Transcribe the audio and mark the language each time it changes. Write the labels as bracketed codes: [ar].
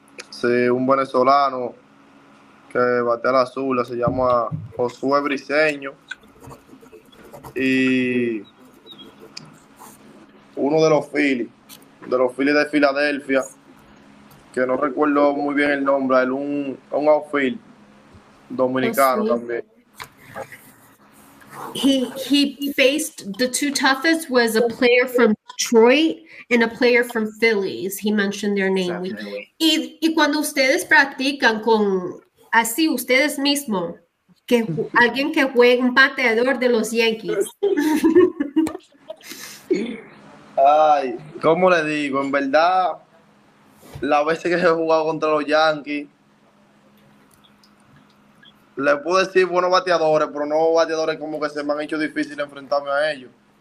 [es] Sí, un venezolano que batea la zurda, se llama Josué Briceño. Y uno de los Phillies de Filadelfia, que no recuerdo muy bien el nombre, un outfield Dominicano también. [en] He faced the two toughest was a player from Detroit and a player from Phillies. He mentioned their name. [es] Y cuando ustedes practican con así ustedes mismo, que alguien que juegue un bateador de los Yankees. Ay, ¿cómo le digo? En verdad, la vez que he jugado contra los Yankees, le puedo decir buenos bateadores, pero no bateadores como que se me han hecho difícil enfrentarme a ellos.